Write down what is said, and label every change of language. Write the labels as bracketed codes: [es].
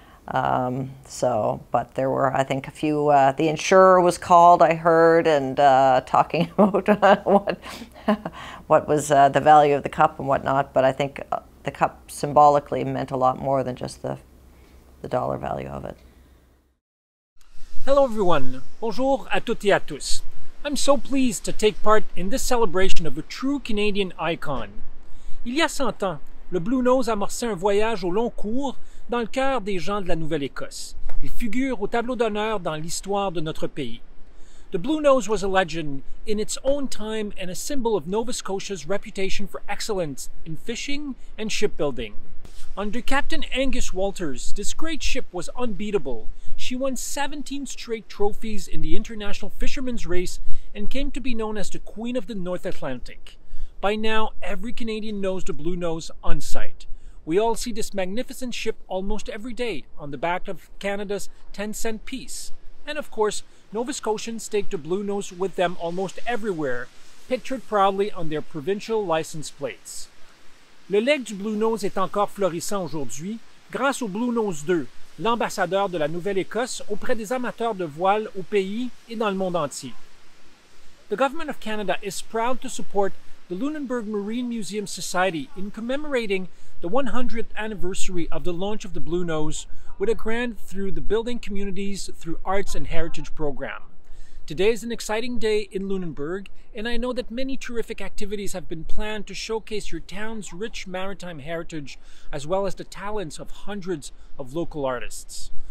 [en] But there were, I think, a few, the insurer was called, I heard, and talking about what was the value of the cup and whatnot, but I think the cup symbolically meant a lot more than just the dollar value of it. Hello everyone, [fr] bonjour à toutes et à tous. [en] I'm so pleased to take part in this celebration of a true Canadian icon. [fr] Il y a 100 ans, le Bluenose amorcé un voyage au long cours dans le cœur des gens de la Nouvelle-Écosse. Il figure au tableau d'honneur dans l'histoire de notre pays. [en] The Bluenose was a legend in its own time and a symbol of Nova Scotia's reputation for excellence in fishing and shipbuilding. Under Captain Angus Walters, this great ship was unbeatable. She won 17 straight trophies in the International Fisherman's Race and came to be known as the Queen of the North Atlantic. By now, every Canadian knows the Bluenose on sight. We all see this magnificent ship almost every day on the back of Canada's 10-cent piece. And of course, Nova Scotians take the Bluenose with them almost everywhere, pictured proudly on their provincial license plates. [fr] Le legs du Bluenose est encore florissant aujourd'hui grâce au Bluenose 2, l'ambassadeur de la Nouvelle-Écosse auprès des amateurs de voile au pays et dans le monde entier. [en] The Government of Canada is proud to support the Lunenburg Marine Museum Society in commemorating the 100th anniversary of the launch of the Bluenose with a grant through the Building Communities through Arts and Heritage Program. Today is an exciting day in Lunenburg, and I know that many terrific activities have been planned to showcase your town's rich maritime heritage, as well as the talents of hundreds of local artists.